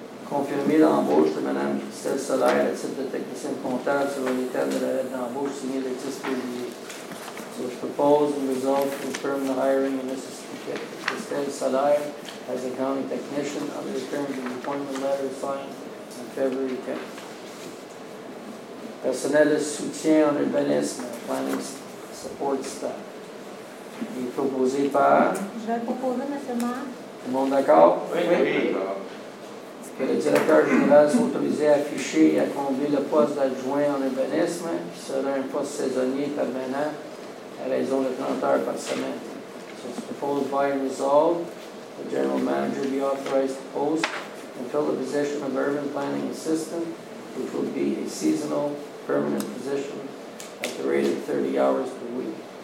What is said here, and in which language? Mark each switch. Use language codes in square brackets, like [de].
[fr] Confirmer l'embauche de Mme Christelle Salaire à titre de technicienne comptable selon les termes de la lettre d'embauche signée le 10 février. [en] So, propose and resolve to confirm the hiring of Mrs. Christelle Salaire as a county technician under the terms of the appointment letter signed on February 10th. [fr] Personnel de soutien en urbanisme, [en] planning support staff. [fr] Il est proposé par? Je vais proposer, monsieur le maire. Tout le monde d'accord? Oui, oui. Que le directeur général soit autorisé à afficher et à combler le poste d'adjoint en urbanisme, qui sera un poste saisonnier permanent. À raison de 30 heures par semaine. [en] So it's proposed by and resolved, the general manager be authorized to post and fill the position of urban planning assistant, which will be a seasonal permanent position at the rate of 30 hours per week.